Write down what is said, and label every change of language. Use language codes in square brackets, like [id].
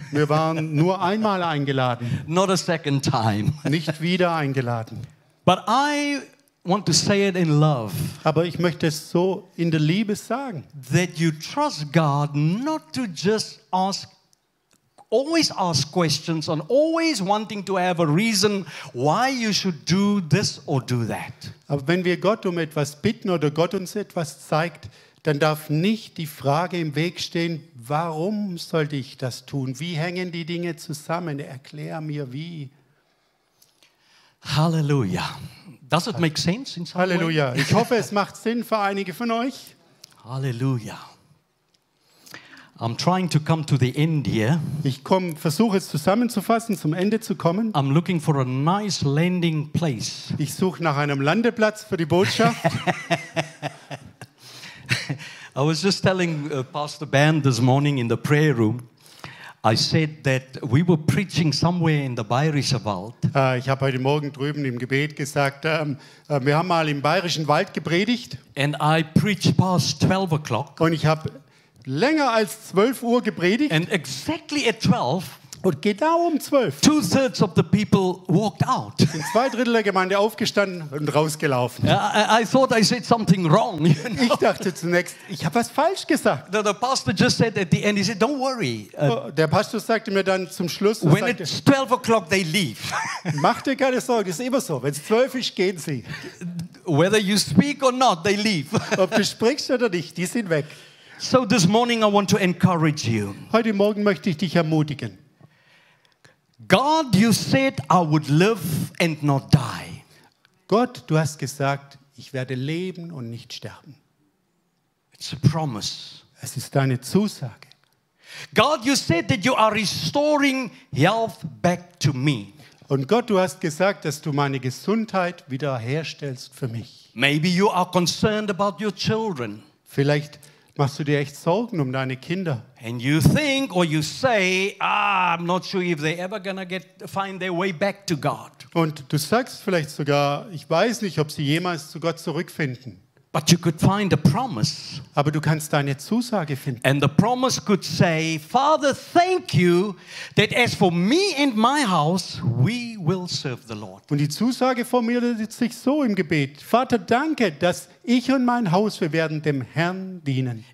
[de] Wir waren nur einmal eingeladen. [en] Not a second time. [de] Nicht wieder eingeladen. [en] But I want to say it in love. [de] Aber ich möchte es so in der Liebe sagen. [en] That you trust God not to just always ask questions and always wanting to have a reason why you should do this or do that. [de] Aber wenn wir Gott um etwas bitten oder Gott uns etwas zeigt, dann darf nicht die Frage im Weg stehen, warum sollte ich das tun? Wie hängen die Dinge zusammen? Erklär mir wie. Halleluja. [en] Does it make sense in some [de] Halleluja. [en] Way? [de] Ich hoffe, es macht Sinn für einige von euch. Halleluja. [en] I'm trying to come to the end here. [de] Ich versuche es zusammenzufassen, zum Ende zu kommen. [en] I'm looking for a nice landing place. [de] Ich suche nach einem Landeplatz für die Botschaft. [en] I was just telling Pastor Ben this morning in the prayer room. I said that we were preaching somewhere in the Bayerischer Wald. [de] Ich habe heute Morgen drüben im Gebet gesagt, wir haben mal im Bayerischen Wald gepredigt. [en] And I preached past 12 o'clock. [de] Und ich habe länger als 12 Uhr gepredigt. [en] And exactly at 12. [de] Und genau um 12. [en] Two-thirds of the people walked out. [de] Sind zwei Drittel der Gemeinde aufgestanden und rausgelaufen. [en] I thought I said something wrong. You know? [de] Ich dachte zunächst, ich habe was falsch gesagt. [en] The pastor just said at the end, he said, don't worry. [de] Der Pastor sagte mir dann zum Schluss, [en] when it's 12 o'clock, they leave. [de] Mach dir keine Sorgen, das ist immer so. Wenn es 12 ist, gehen sie. [en] Whether you speak or not, they leave. [de] Ob du sprichst oder nicht, die sind weg. [en] So this morning I want to encourage you. [de] Heute Morgen möchte ich dich ermutigen. [en] God, you said I would live and not die. [de] Gott, du hast gesagt, ich werde leben und nicht sterben. [en] It's a promise. [de] Es ist deine Zusage. [en] God, you said that you are restoring health back to me. [de] Und Gott, du hast gesagt, dass du meine Gesundheit wiederherstellst für mich. [en] Maybe you are concerned about your children. [de] Vielleicht machst du dir echt Sorgen um deine Kinder? [en] And you think or you say, I'm not sure if they're ever gonna get find their way back to God. [de] Und du sagst vielleicht sogar, ich weiß nicht, ob sie jemals zu Gott zurückfinden. [en] But you could find a promise. [de] Aber du kannst deine Zusage finden. [en] And the promise could say, Father, thank you that as for me and my house, we will serve the Lord. [de] Und die Zusage formuliert sich so im Gebet. Vater, danke, dass ich und mein Haus, wir werden dem Herrn dienen.